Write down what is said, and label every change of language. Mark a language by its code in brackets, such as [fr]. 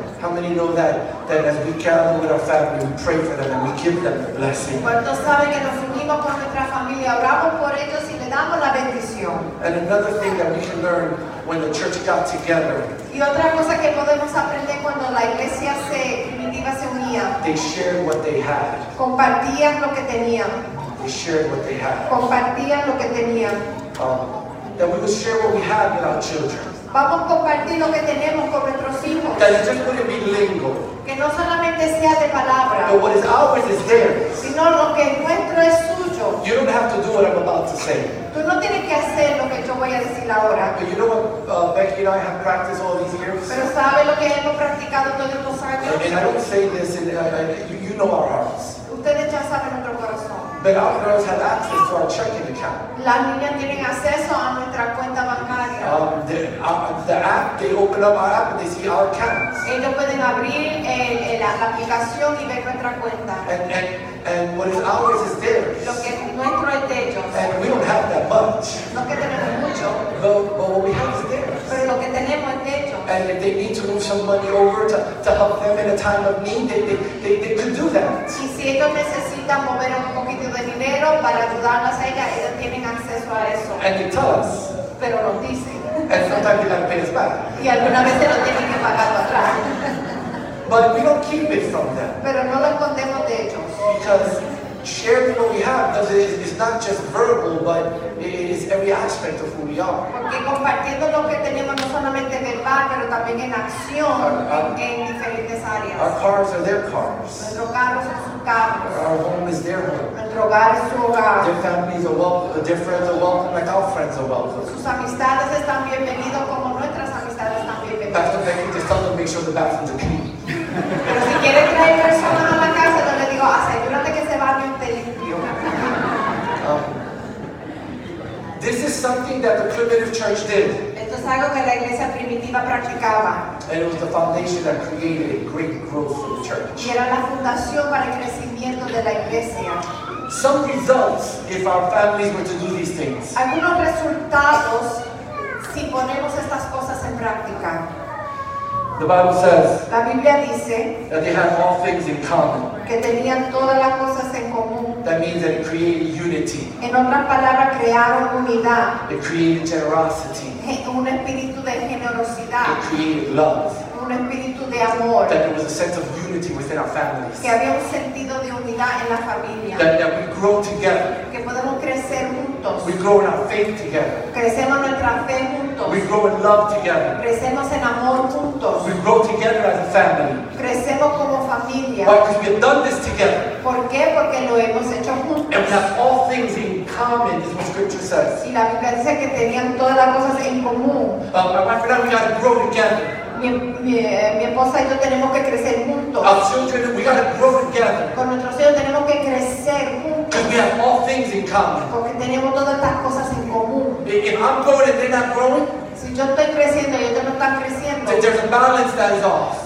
[en] How many know that as we gather with our family, we pray for them and we give them the blessing? [es] ¿Cuántos saben que nos unimos con nuestra familia, oramos por ellos y le damos la bendición? [en] And another thing that we can learn when the church got together. [es] Y otra cosa que podemos aprender cuando la iglesia se primitiva se unía. [en] They shared what they had. [es] Compartían lo que tenían. [en] They shared what they had. [es] Compartían lo que tenían. [en] That we would share what we had with our children. [es] Vamos a compartir lo que tenemos con nuestros hijos. [en] That it just wouldn't be lingo. [es] Que no solamente sea de palabra. [en] But what is ours is theirs. [es] Sino lo que es nuestro es suyo. [en] You don't have to do what I'm about to say. [es] Tú no tienes que hacer lo que yo voy a decir ahora. [en] But you know what Becky and I have practiced all these years? [es] Pero sabe lo que hemos practicado todos estos años. [en] And I don't say this, you know our hearts. [es] Ustedes ya saben nuestro corazón. [en] But our girls have access to our checking account. [es] Las niñas tienen acceso a nuestra cuenta bancaria. [en] The app, they open up our app and they see our accounts. [es] Ellos pueden abrir la aplicación y ver nuestra cuenta. [en] And what is ours is theirs. [es] Lo que es nuestro es de ellos. [en] And we don't have that much. [es] No que tenemos mucho. [en] But what we have is theirs. [es] Pero lo que tenemos es de ellos. [en] And if they need to move some money over to help them in a time of need, they could do that. [es] Y si ellos necesitan mover un poquito de dinero para ayudarlas a ellas, ellos tienen acceso a eso. [en] And they tell us. [es] Pero nos dicen. [en] And sometimes they have to pay us back. [es] Y alguna vez lo tienen que pagar atrás. [en] But we don't keep it from them. [es] Pero no lo escondemos de ellos. [en] Because sharing what we have, because it's not just verbal, but it is every aspect of who we are. [es] Porque compartiendo lo que tenemos no solamente en verbal, pero también en acción en diferentes áreas. [en] Our cars are their cars. [es] Nuestros carros son sus carros. [en] Our home is their home. [es] Nuestro hogar es su hogar. [en] Their families are welcome. Their friends are welcome, like our friends are welcome. [es] Sus amistades están bienvenidos como nuestras amistades están bienvenidas. [en] Pastor Becky, just tell them to make sure the bathrooms are clean. [es] Pero si quiere traer personas a la casa, yo le digo, asegúrate que ese baño esté limpio. [en] This is something that the primitive church did. [es] Esto es algo que la iglesia primitiva practicaba. [en] And it was the foundation that created a great growth for the church. [es] Y era la fundación para el crecimiento de la iglesia. [en] Some results if our families were to do these things. [es] Algunos resultados si ponemos estas cosas en práctica. [en] The Bible says [es] la Biblia dice [en] that they had all things in common. [es] Que tenían todas las cosas en común. [en] That means that it created unity. [es] En otras palabras, crearon unidad. [en] It created generosity. [es] Un espíritu de generosidad. [en] It created love. [es] Un espíritu de amor. [en] That there was a sense of unity within our families. [es] Que había un sentido de unidad en la familia. [en] That we grow together. [es] Que podemos crecer juntos. [en] We grow in our faith together. [es] Crecemos nuestra fe juntos. [en] We grow in love together. [es] Crecemos en amor juntos. [en] We grow together as a family. [es] Crecemos como familia. [en] Why? Because we've done this together. [es] ¿Por qué? Porque lo hemos hecho juntos. [en] And we have all things in common, is what Scripture says. [es] Y la Biblia dice que tenían todas las cosas en común. [en] My wife and I, we got to grow together. [es] Mi esposa y yo tenemos que crecer juntos. [en] Our children, we gotta grow together. [es] Con nuestros hijos tenemos que crecer juntos. [en] We have all things in common. [es] Porque tenemos todas estas cosas en común. [en] If I'm growing and they're not growing, [es] si yo estoy creciendo y ellos no están creciendo, [en] then there's a balance that is off.